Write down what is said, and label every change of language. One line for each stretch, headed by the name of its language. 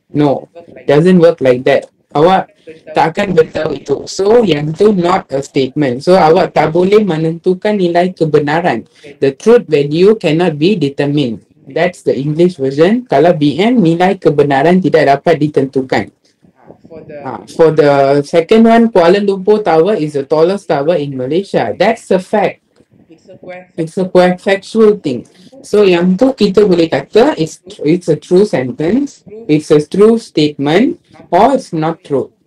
English: No, doesn't work like that.
Malay: Awak tak akan beritahu itu. So, yang tu
English: not a statement.
Malay: So, awak tak boleh menentukan nilai kebenaran.
English: The truth value cannot be determined. That's the English version.
Malay: Kalau BM, nilai kebenaran tidak dapat ditentukan.
English: For the second one, Kuala Lumpur Tower is the tallest tower in Malaysia. That's a fact. It's a factual thing. So
Malay: yang tu kita boleh kata
English: it's a true sentence. It's a true statement or it's not true.